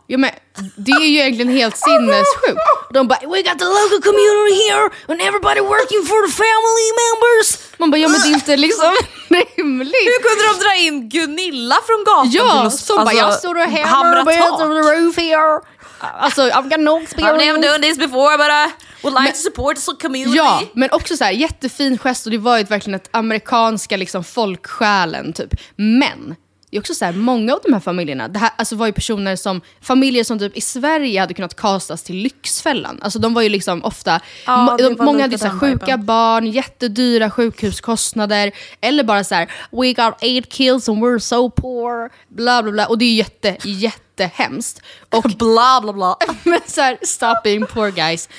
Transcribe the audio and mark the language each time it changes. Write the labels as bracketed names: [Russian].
[Swedish] Ja, men det är ju egentligen helt sinnessjukt. De bara, [English] we got the local community here and everybody working for the family members. [Swedish] Man bara, ja, men det är inte liksom rimligt. Hur kunde de dra in Gunilla från gatan? Ja, som bara, jag står och [English] hammer on the roof here. Alltså, I've got no experience. I've never done this before, but I would like to support the community. [Swedish] Ja, men också så här, jättefin gest, och det var ju verkligen ett amerikanska liksom folksjälen typ. Men det är också så här, många av de här familjerna, det här, alltså, var ju personer som, familjer som typ i Sverige hade kunnat castas till Lyxfällan. Alltså, de var ju liksom ofta, många hade så här, sjuka barn, jättedyra sjukhuskostnader, eller bara så här, [English] we got 8 kills and we're so poor, [Swedish] bla bla bla. Och det är jätte, jätte hemskt. Och bla bla bla. Men så här, [English] stop being poor guys.